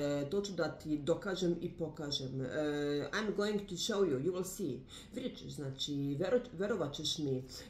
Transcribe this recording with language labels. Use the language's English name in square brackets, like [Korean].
[Serbian] To ću da ti dokažem i pokažem. [English] I'm going to show you, you will see. [Serbian] Vidjet ćeš, znači, verovat ćeš mi.